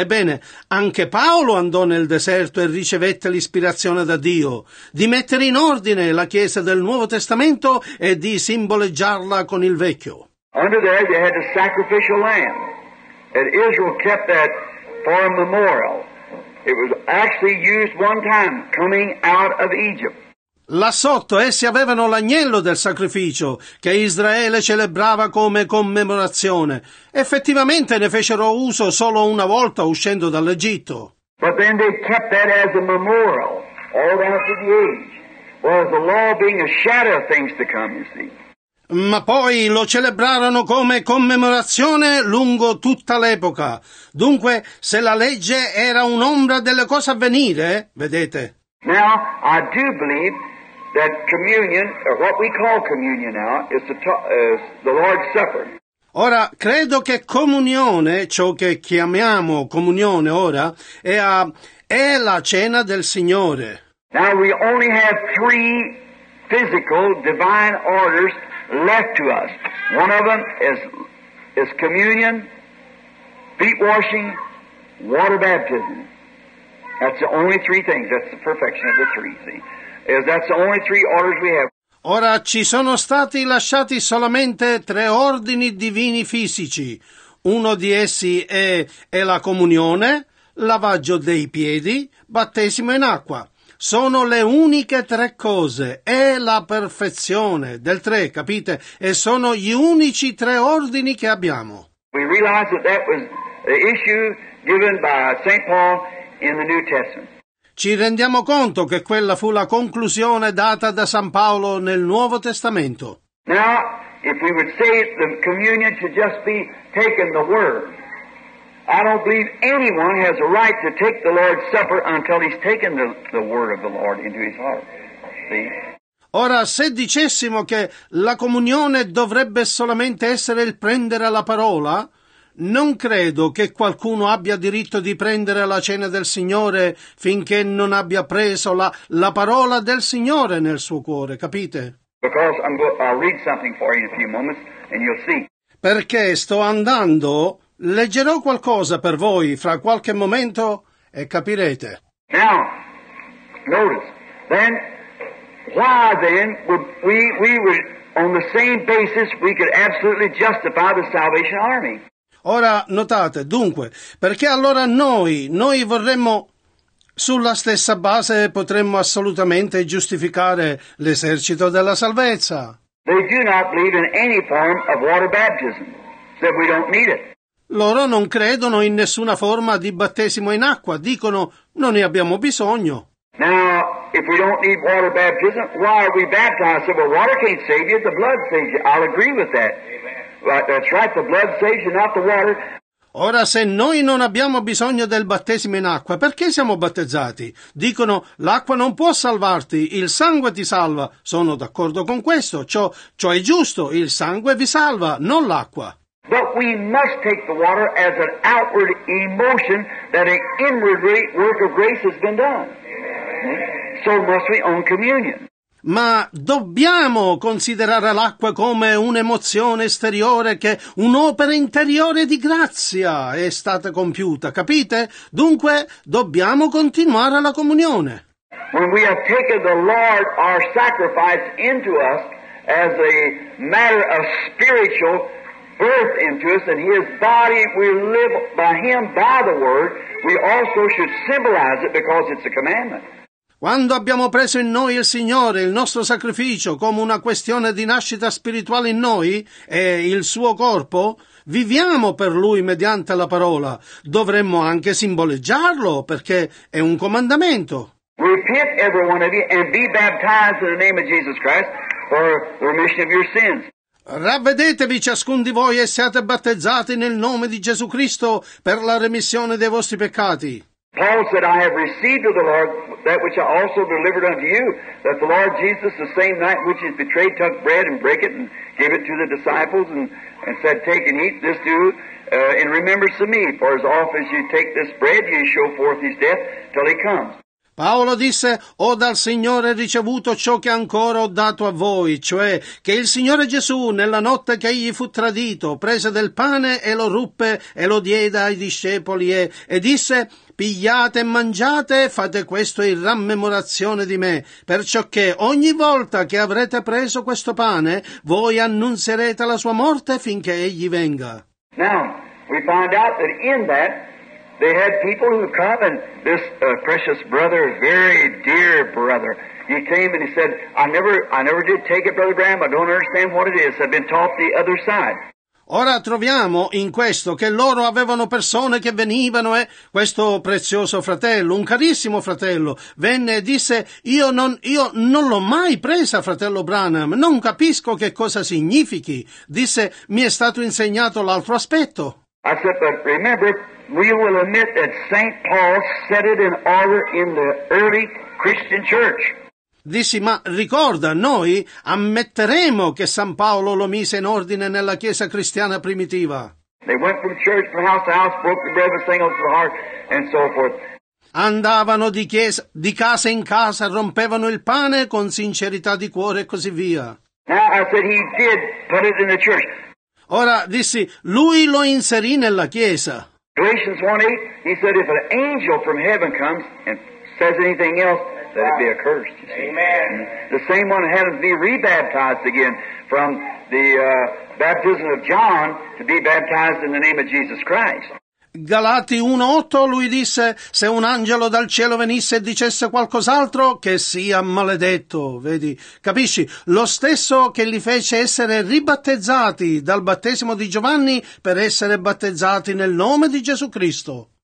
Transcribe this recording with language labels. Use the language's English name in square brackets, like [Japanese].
[Italian] Ebbene, anche Paolo andò nel deserto e ricevette l'ispirazione da Dio di mettere in ordine la Chiesa del Nuovo Testamento e di simboleggiarla con il Vecchio. [English] Under there they had the sacrificial lamb. And Israel kept that for a memorial. It was actually used one time coming out of Egypt. [Italian] Là sotto essi avevano l'agnello del sacrificio che Israele celebrava come commemorazione. Effettivamente ne fecero uso solo una volta uscendo dall'Egitto. [English] But then they kept that as a memorial all down through the age. Well, the law being a shadow of things to come, you see. [Italian] Ma poi lo celebrarono come commemorazione lungo tutta l'epoca. Dunque, se la legge era un'ombra delle cose a venire, vedete. [English] Now, I do believe that communion, or what we call communion now, is the Lord's Supper. [Italian] Ora, credo che comunione, ciò che chiamiamo comunione ora, è la cena del Signore. [English] Now, we only have three physical divine orders left to us. One of them is communion, feet washing, water baptism. That's the only three things. That's the perfection of the three. See, that's the only three orders we have. [Italian] Ora ci sono stati lasciati solamente tre ordini divini fisici. Uno di essi è la comunione, lavaggio dei piedi, battesimo in acqua. Sono le uniche tre cose, è la perfezione del tre, capite? E sono gli unici tre ordini che abbiamo. [English] We realize that that was the issue given by St. Paul in the New Testament. [Italian] Ci rendiamo conto che quella fu la conclusione data da San Paolo nel Nuovo Testamento. [English] Now, if we would say the communion should just be taking the word, I don't believe anyone has a right to take the Lord's Supper until he's taken the word of the Lord into his heart. See? [Italian] Ora, se dicessimo che la comunione dovrebbe solamente essere il prendere la parola, non credo che qualcuno abbia diritto di prendere la cena del Signore finché non abbia preso la parola del Signore nel suo cuore, capite? [English] Because I'll read something for you in a few moments and you'll see. [Italian] Perché sto andando. Leggerò qualcosa per voi fra qualche momento e capirete. [English] Now, notice, then, why then would we would, on the same basis, we could absolutely justify the Salvation Army? [Italian] Ora, notate, dunque, perché allora noi vorremmo, sulla stessa base, potremmo assolutamente giustificare l'esercito della salvezza. [English] They do not believe in any form of water baptism, that we don't need it. [Italian] Loro non credono in nessuna forma di battesimo in acqua, dicono non ne abbiamo bisogno. [English] Now, if we don't need water baptism, why are we baptized? Well, water can't save you, the blood saves you. I'll agree with that. Right, that's right, the blood saves you, not the water. [Italian] Ora, se noi non abbiamo bisogno del battesimo in acqua, perché siamo battezzati? Dicono, l'acqua non può salvarti, il sangue ti salva. Sono d'accordo con questo, ciò è giusto, il sangue vi salva, non l'acqua. [English] But we must take the water as an outward emotion that an inward work of grace has been done. So must we own communion. [Italian] Ma dobbiamo considerare l'acqua come un'emozione esteriore che un'opera interiore di grazia è stata compiuta, capite? Dunque dobbiamo continuare la comunione. [English] When we have taken the Lord our sacrifice into us as a matter of spiritual birth into us, and His body, we live by Him, by the Word, we also should symbolize it because it's a commandment. [Italian] Quando abbiamo preso in noi il Signore, il nostro sacrificio, come una questione di nascita spirituale in noi e il suo corpo, viviamo per Lui mediante la parola. Dovremmo anche simboleggiarlo, perché è un comandamento. [English] Repent, every one of you, and be baptized in the name of Jesus Christ for remission of your sins. [Italian] Ravvedetevi ciascun di voi e siate battezzati nel nome di Gesù Cristo per la remissione dei vostri peccati. [English] Paul said, I have received of the Lord that which I also delivered unto you, that the Lord Jesus, the same night which he betrayed, took bread and brake it and gave it to the disciples and said, take and eat, this do in remembrance of me. For as often as you take this bread, you show forth his death till he comes. [Italian] Paolo disse, ho dal Signore ricevuto ciò che ancora ho dato a voi, cioè che il Signore Gesù, nella notte che egli fu tradito, prese del pane e lo ruppe e lo diede ai discepoli e disse, pigliate e mangiate, fate questo in rammemorazione di me, perciò che ogni volta che avrete preso questo pane, voi annunzierete la sua morte finché egli venga. [English] Now, we find out that in that, they had people who come, and this precious brother, very dear brother, he came and he said, I never did take it, Brother Graham, I don't understand what it is, I've been taught the other side. [Italian] Ora troviamo in questo che loro avevano persone che venivano e questo prezioso fratello, un carissimo fratello, venne e disse, io non l'ho mai presa, fratello Branham, non capisco che cosa significhi. Disse, mi è stato insegnato l'altro aspetto. [English] I said, but remember, we will admit that St. Paul set it in order in the early Christian church. [Italian] Dissi, ma ricorda, noi ammetteremo che San Paolo lo mise in ordine nella chiesa cristiana primitiva. [English] They went from church, from house to house, broke the bread with singles to the heart, and so forth. [Italian] Andavano di casa in casa, rompevano il pane con sincerità di cuore e così via. [English] Now I said he did put it in the church. [Italian] Ora dissi, lui lo inserì nella chiesa. [English] Galatians 1:8, he said if an angel from heaven comes and says anything else, that it be accursed. Amen. The same one had to be rebaptized again from the baptism of John to be baptized in the name of Jesus Christ. [Italian] Galati 1:8, lui disse, se un angelo dal cielo venisse e dicesse qualcos'altro, che sia maledetto, vedi, capisci? Lo stesso che li fece essere ribattezzati dal battesimo di Giovanni per essere battezzati nel nome di Gesù Cristo.